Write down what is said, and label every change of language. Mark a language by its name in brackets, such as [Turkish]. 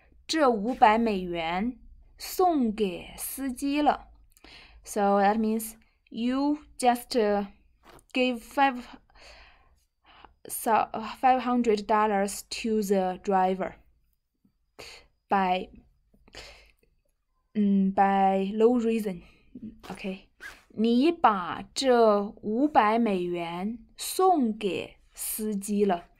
[Chinese] 这五百美元送给司机了。 [English] So that means you just gave $500 to the driver by no reason. Okay. [Chinese] 你把这五百美元送给司机了。